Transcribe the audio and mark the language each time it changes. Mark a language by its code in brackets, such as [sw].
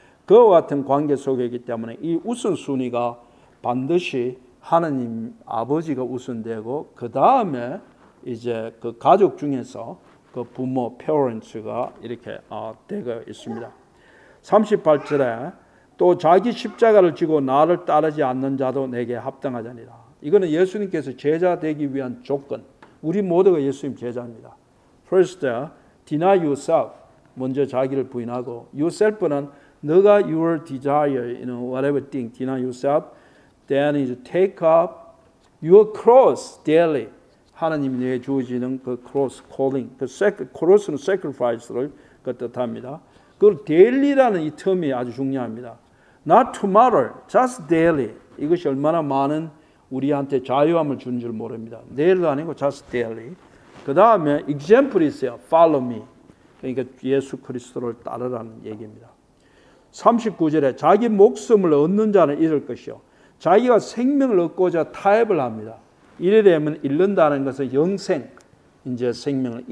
[ko] 그와 같은 관계 속에 있기 때문에 이 우선순위가 반드시 하나님 아버지가 우선되고 그 다음에 이제 그 가족 중에서 그 부모, parents가 이렇게 되어 있습니다. 38절에 또 자기 십자가를 지고 나를 따르지 않는 자도 내게 합당하자니라. 이거는 예수님께서 제자 되기 위한 조건. 우리 모두가 예수님 제자입니다. [en] First, deny yourself. [ko] 먼저 자기를 부인하고 yourself는 너가 [en] your desire, you know, whatever thing, deny yourself. Then is take up your cross daily. [ko] 하나님이 내게 주어지는 그 cross calling. 그 cross는 sacrifice를 그 뜻합니다. 그 daily라는 이 term이 아주 중요합니다. [en] Not tomorrow, just daily. [ko] 이것이 얼마나 많은 우리한테 자유함을 주는 줄 모릅니다. 내일도 아니고 [en] just daily. [ko] 그 다음에 example 있어요. [en] Follow me. [ko] 그러니까 예수 그리스도를 따르라는 얘기입니다. 39절에 자기 목숨을 얻는 자는 잃을 것이요. 자기가 생명을 얻고자 타협을 합니다. 이래 되면 잃는다는 것은 영생, 이제 생명을.